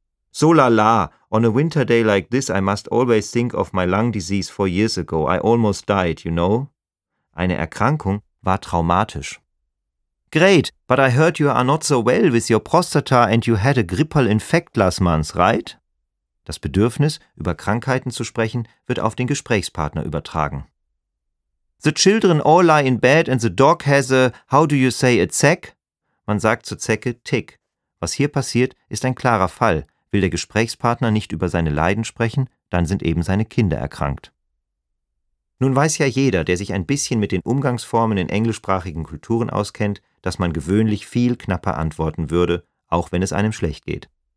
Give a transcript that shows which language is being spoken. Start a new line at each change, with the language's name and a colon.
English: So la la, on a winter day like this I must always think of my lung disease 4 years ago. I almost died, you know?
German: Eine Erkrankung war traumatisch.
English: Great, but I heard you are not so well with your prostata and you had a grippal infect last month, right?
German: Das Bedürfnis, über Krankheiten zu sprechen, wird auf den Gesprächspartner übertragen.
English: The children all lie in bed and the dog has a, how do you say, a zeck?
German: Man sagt zur Zecke Tick. Was hier passiert, ist ein klarer Fall. Will der Gesprächspartner nicht über seine Leiden sprechen, dann sind eben seine Kinder erkrankt. Nun weiß ja jeder, der sich ein bisschen mit den Umgangsformen in englischsprachigen Kulturen auskennt, dass man gewöhnlich viel knapper antworten würde, auch wenn es einem schlecht geht.